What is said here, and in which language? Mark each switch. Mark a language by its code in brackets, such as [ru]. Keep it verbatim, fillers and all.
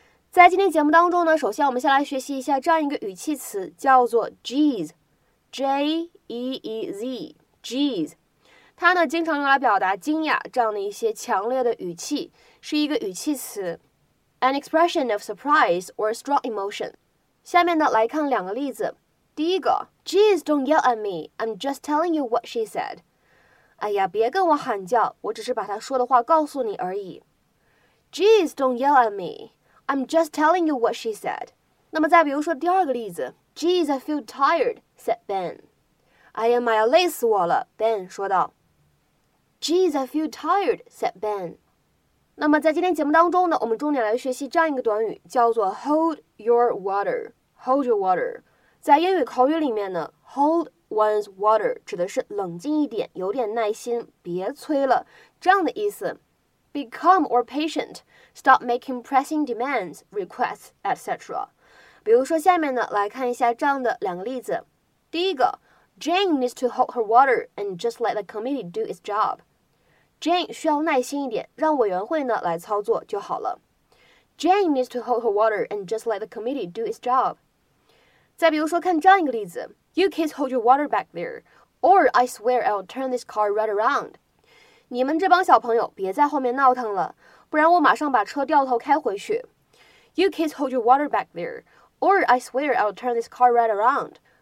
[zh] 在今天节目当中呢，首先我们先来学习一下这样一个语气词，叫做 geez, J-E-E-Z, geez。它呢经常用来表达惊讶这样的一些强烈的语气，是一个语气词 ， [en] an expression of surprise or strong emotion。 [zh] 下面呢来看两个例子。第一个 [en] ，Geez, don't yell at me, I'm just telling you what she said。 [zh] 哎呀，别跟我喊叫，我只是把她说的话告诉你而已。 [en] Geez, don't yell at me. I'm just telling you what she said. [zh] 那么再比如说第二个例子 [en] Geez, I feel tired, said Ben. [zh] 哎呀妈呀，累死我了 Ben 说道 [en] Geez, I feel tired, said Ben. [zh] 那么在今天节目当中呢，我们重点来学习这样一个短语，叫做 [en] Hold your water, Hold your water. [zh] 在英语口语里面呢， [en] Hold one's water [zh] 指的是冷静一点，有点耐心，别催了，这样的意思。 [en] Be calm or patient, stop making pressing demands, requests, et cetera. [zh] 比如说下面呢来看一下这样的两个例子。第一个 [en] Jane needs to hold her water and just let the committee do its job. [zh] Jane 需要耐心一点，让委员会呢来操作就好了。 [en] Jane needs to hold her water and just let the committee do its job. [zh] 再比如说看这样一个例子 [en] You kids hold your water back there, or I swear I'll turn this car right around. [zh] 你们这帮小朋友别在后面闹腾了，不然我马上把车掉头开回去。 [en] You kids hold your water back there, or I swear I'll turn this car right around.